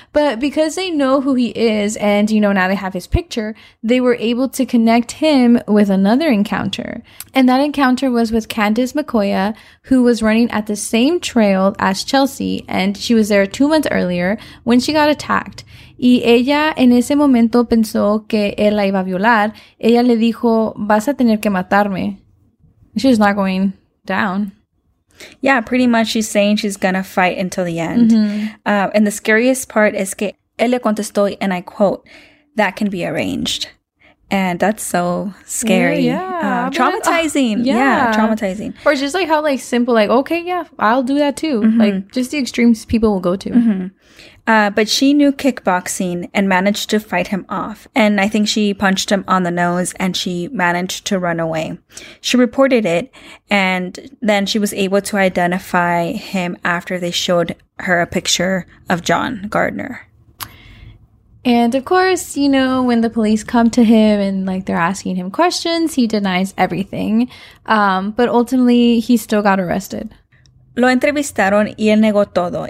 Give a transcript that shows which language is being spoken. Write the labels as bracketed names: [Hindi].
[English] But because they know who he is and, you know, now they have his picture, they were able to connect him with another encounter. And that encounter was with Candace McCoya, who was running at the same trail as Chelsea. And she was there 2 months earlier when she got attacked. [Spanish] Y ella en ese momento pensó que él la iba a violar. Ella le dijo, vas a tener que matarme. [English] She's not going down. Yeah, pretty much she's saying she's going to fight until the end. Mm-hmm. And the scariest part is [Spanish] que él le contestó, [English] and I quote, that can be arranged. And that's so scary. Yeah. Traumatizing. Traumatizing. Or just like how like simple, like, okay, yeah, I'll do that too. Mm-hmm. Like just the extremes people will go to. Mm-hmm. But she knew kickboxing and managed to fight him off. And I think she punched him on the nose and she managed to run away. She reported it and then she was able to identify him after they showed her a picture of John Gardner. And of course, you know, when the police come to him and like they're asking him questions, he denies everything. But ultimately, he still got arrested. [Spanish] Lo entrevistaron y él negó todo.